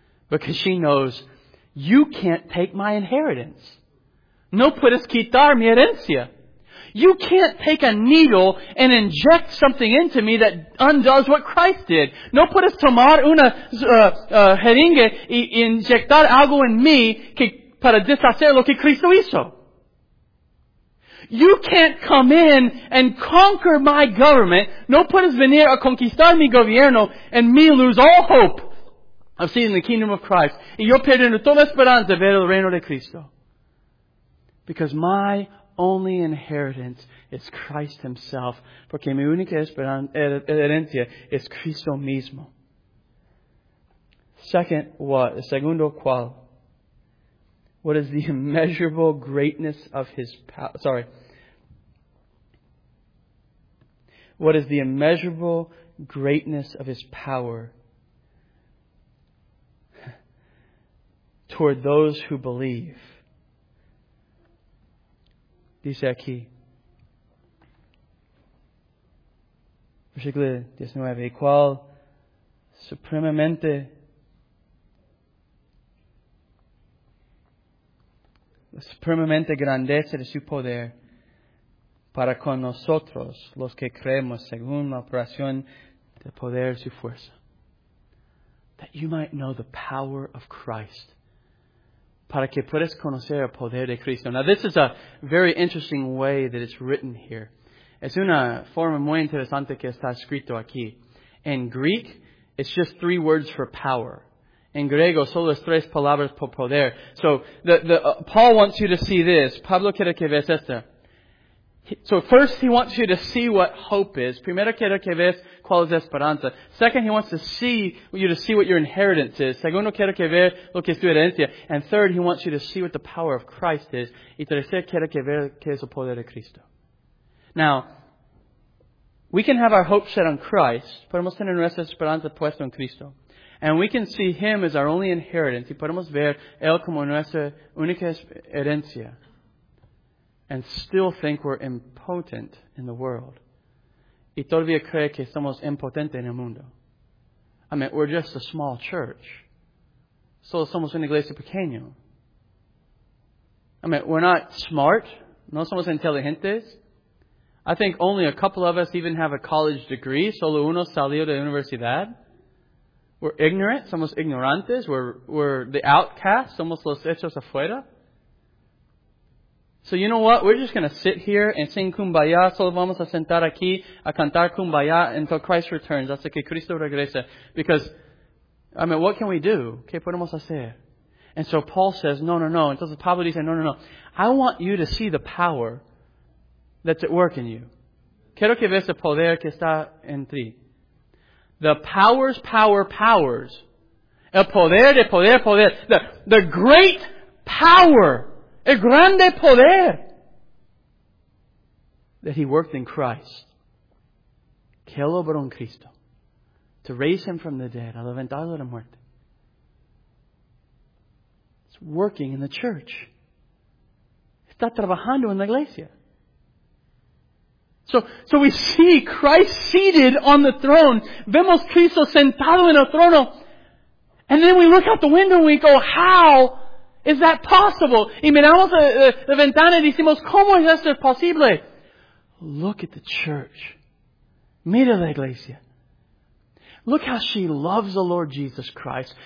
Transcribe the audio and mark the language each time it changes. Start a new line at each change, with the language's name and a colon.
English: Because she knows, you can't take my inheritance.
Spanish: No puedes quitar mi herencia.
English: You can't take a needle and inject something into me that undoes what Christ did.
Spanish: No puedes tomar una jeringa y inyectar algo en mí que para deshacer lo que Cristo hizo.
English: You can't come in and conquer my government.
Spanish: No puedes venir a conquistar mi gobierno
English: and me lose all hope of seeing the kingdom of Christ.
Spanish: Y yo perdiendo toda esperanza de ver el reino de Cristo.
English: Because my only inheritance is Christ Himself.
Spanish: Porque mi única herencia es Cristo mismo.
English: Second, what?
Spanish: Segundo, ¿cuál?
English: What is the immeasurable greatness of His power? Sorry. What is the immeasurable greatness of His power toward those who believe.
Spanish: Dice aquí. Versículo 19. Y cual supremamente grandeza de su poder para con nosotros los que creemos según la operación del poder de su fuerza.
English: That you might know the power of Christ.
Spanish: Para que puedas conocer el poder de Cristo.
English: Now this is a very interesting way that it's written here.
Spanish: Es una forma muy interesante que está escrito aquí.
English: In Greek, it's just three words for power.
Spanish: En griego, solo es tres palabras por poder.
English: So, Paul wants you to see this.
Spanish: Pablo quiere que veas esto.
English: So, first, he wants you to see what hope is.
Spanish: Primero, quiere que veas cuál es esperanza.
English: Second, he wants to see you to see what your inheritance is.
Spanish: Segundo, quiere que veas lo que es tu herencia.
English: And third, he wants you to see what the power of Christ is.
Spanish: Y tercero, quiere que veas qué es el poder de Cristo.
English: Now, we can have our hope set on Christ.
Spanish: Podemos tener nuestra esperanza puesta en Cristo.
English: And we can see Him as our only inheritance.
Spanish: Y podemos ver Él como nuestra única herencia.
English: And still think we're impotent in the world.
Spanish: Y todavía cree que somos impotentes en el mundo.
English: I mean, we're just a small church.
Spanish: Solo somos una iglesia pequeña.
English: I mean, we're not smart.
Spanish: No somos inteligentes.
English: I think only a couple of us even have a college degree.
Spanish: Solo uno salió de la universidad.
English: We're ignorant.
Spanish: Somos ignorantes.
English: We're the outcast.
Spanish: Somos los hechos afuera.
English: So you know what? We're just going to sit here and sing Kumbaya.
Spanish: Solo vamos a sentar aquí a cantar Kumbaya
English: until Christ returns.
Spanish: Hasta que Cristo regrese.
English: Because, I mean, what can we do?
Spanish: ¿Qué podemos hacer?
English: And so Paul says, no, no, no.
Spanish: Entonces Pablo dice, no, no, no.
English: I want you to see the power that's at work in you.
Spanish: Quiero que veas el poder que está en ti.
English: The powers, power, powers.
Spanish: El poder de poder, poder.
English: The great power.
Spanish: El grande poder.
English: That He worked in Christ.
Spanish: Que Él obró en Cristo.
English: To raise Him from the dead.
Spanish: A levantarlo de muerte.
English: It's working in the church.
Spanish: Está trabajando en la iglesia.
English: So we see Christ seated on the throne.
Spanish: Vemos Cristo sentado en el trono.
English: And then we look out the window and we go, how is that possible?
Spanish: Y miramos la ventana y decimos, ¿cómo es esto posible?
English: Look at the church.
Spanish: Mira la iglesia.
English: Look how she loves the Lord Jesus Christ.